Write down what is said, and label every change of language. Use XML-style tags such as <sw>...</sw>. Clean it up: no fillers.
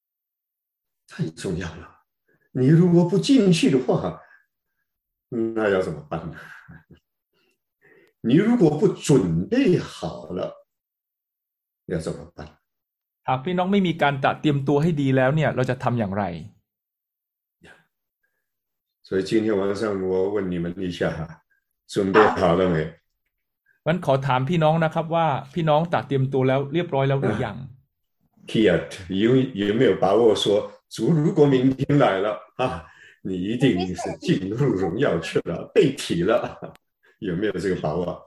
<th>ๆไทยสูงยาวแล้ว</th> <zh>你如果不进去的话那要怎么办你如果不准备好了要怎么办</zh> <th>หากพี่น้องไม่มีการตัดเตรียมตัวให้ดีแล้วเนี่ยเราจะทำอย่างไร</th> <zh>所以今天晚上我问你们一下准备好了没</zh> <th>มันขอถามพี่น้องนะครับว่าพี่น้องตัดเตรียมตัวแล้วเรียบร้อยแล้วหรือยัง</th> <zh>Kiat有没有把握说主如果明天来了啊你一定是进入荣耀去了被提了有没有这个把握</zh>